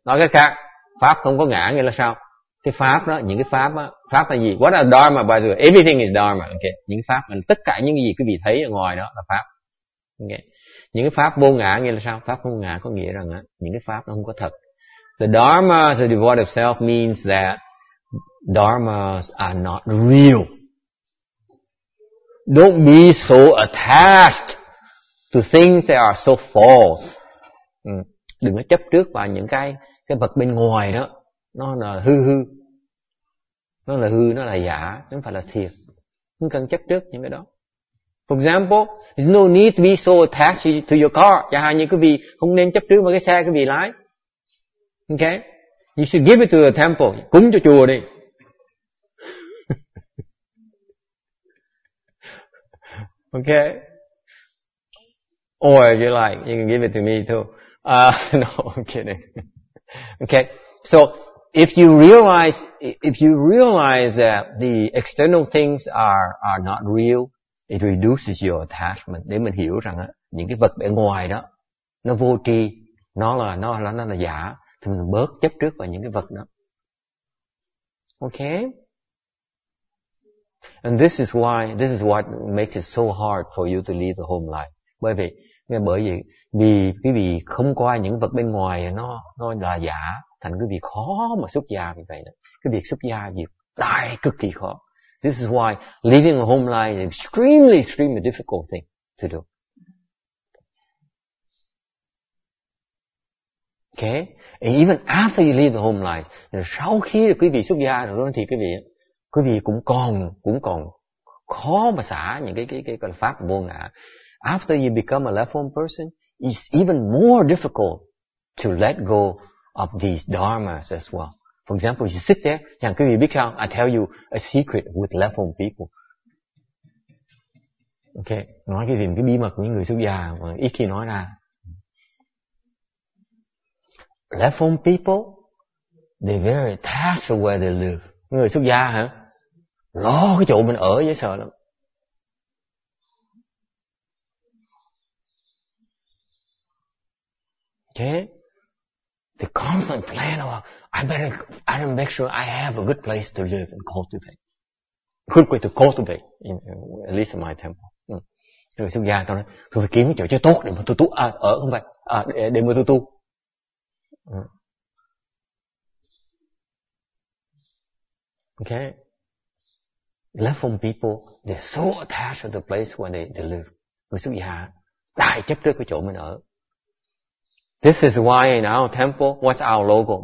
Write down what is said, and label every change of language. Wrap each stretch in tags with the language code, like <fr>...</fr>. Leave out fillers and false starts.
<vi>Nói cách khác, pháp không có ngã nghĩa là sao? Cái pháp đó, những cái pháp á, pháp là gì?</vi> <en>What are dharma by the way? Everything is dharma.</en> <vi>Okay. Những pháp mình, tất cả những cái gì quý vị thấy ở ngoài đó là pháp. Okay. những cái pháp vô ngã nghĩa là sao? Pháp vô ngã có nghĩa rằng á, những cái pháp nó không có thật.</vi> <en>The dharmas are devoid of self means that dharmas are not real. Don't be so attached to things that are so false.</en> <vi>Đừng có chấp trước vào những cái vật bên ngoài đó, nó là hư hư, nó là hư, nó là giả, nó không phải là thiệt. Không cần chấp trước những cái đó.</vi> <en>For example, there's no need to be so attached to your car.</en> <vi>Chẳng hạn như quý vị không nên chấp trước vào cái xe quý vị lái.</vi> <en>Okay? You should give it to the temple.</en> <vi>Cúng cho chùa đi.</vi> <en>Okay? Or if you like, you can give it to me too. No, I'm kidding. Okay? So, if you realize that the external things are not real, it reduces your attachment.</en> <vi>Để mình hiểu rằng á, những cái vật bên ngoài đó nó vô tri, nó là giả, thì mình bớt chấp trước vào những cái vật đó.</vi> <en>Okay? And this is what makes it so hard for you to leave the home life.</en> <vi>Bởi vì quý vị không coi những vật bên ngoài nó là giả, thành quý vị khó mà xuất gia như vậy đó. Cái việc xuất gia việc đại cực kỳ khó.</vi> <en>This is why leaving the home life is extremely, extremely difficult thing to do. Okay? And even after you leave the home life,</en> <vi>sau khi quý vị xuất gia rồi thì quý vị cũng còn khó mà xả những cái pháp vô ngã.</vi> <en>After you become a left home person, it's even more difficult to let go of these dharmas as well. For example, you sit there,</en> <vi>chẳng quý vị biết sao?</vi> <en>I tell you a secret with left home people.</en> <vi>Okay, nói cái gì cái bí mật của những người xuất gia mà ít khi nói ra.</vi> <en>Left home people, they very attached to where they live.</en> <vi>Người xuất gia hả? Lo cái chỗ mình ở dễ sợ lắm.</vi> <en>Okay. The constant plan of I better make sure I have a good place to live and cultivate. Good way to cultivate in at least in my temple.</en> <vi>Rồi xuất gia tôi nói, tôi phải kiếm cái chỗ cho tốt để mà tôi tu à, ở không vậy à, để mà tôi tu.</vi> <en>Okay. Left home people, they're so attached to the place where they live.</en> <vi>Người xuất gia đại chấp trước cái chỗ mình ở.</vi> <en>This is why in our temple, what's our logo?</en>